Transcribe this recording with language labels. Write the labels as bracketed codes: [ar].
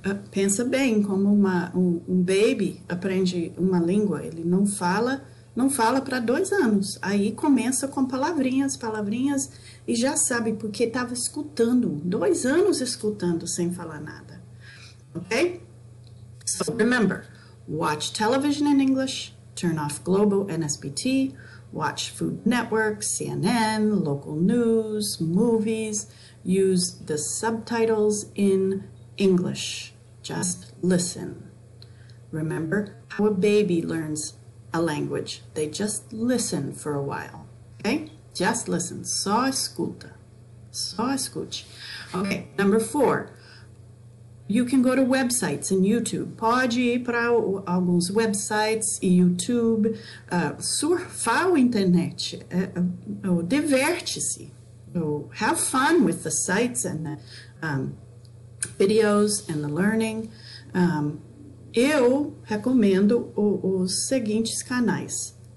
[pt] Pensa bem, como um baby aprende uma língua, ele não fala para 2 anos. Aí começa com palavrinhas, palavrinhas, e já sabe porque estava escutando, 2 anos escutando sem falar nada. Ok? [en] So remember, watch television in English, turn off Globo and SBT. Watch Food Network, CNN, local news, movies. Use the subtitles in English. Just listen. Remember how a baby learns a language? They just listen for a while. [pt] Okay? [en] Just listen. [pt] Só escuta. Só escute. [en] Okay, number four. You can go to websites and YouTube. [pt] Pode ir para alguns websites e YouTube. Surfar o internet. Diverte-se. [en] Have fun with the sites and the videos and the learning. [pt] Eu recomendo os seguintes canais.